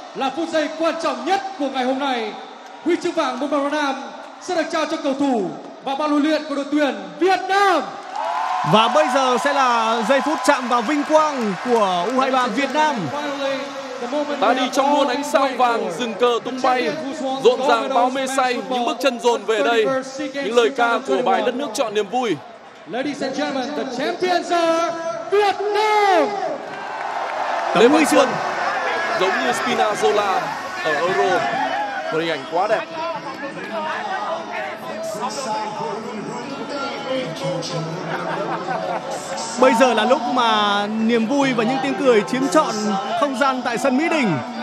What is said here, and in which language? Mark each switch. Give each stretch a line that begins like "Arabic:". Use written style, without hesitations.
Vietnamese: Là phút giây quan trọng nhất của ngày hôm nay, huy chương vàng môn bóng nam sẽ được trao cho cầu thủ và ban huấn luyện của đội tuyển Việt Nam. Và bây giờ sẽ là giây phút chạm vào vinh quang của U23 Việt Nam. Ta đi trong luôn ánh sao vàng, rừng cờ tung bay, rộn ràng bao mê say, những bước chân dồn về đây, những lời ca của bài Đất nước chọn niềm vui.
English: Ladies and gentlemen, the champions are Việt Nam.
Vietnamese: Lê Văn Xuân giống như Spinazzola ở Euro, một hình ảnh quá đẹp. Bây giờ là lúc mà niềm vui và những tiếng cười chiếm trọn không gian tại sân Mỹ Đình.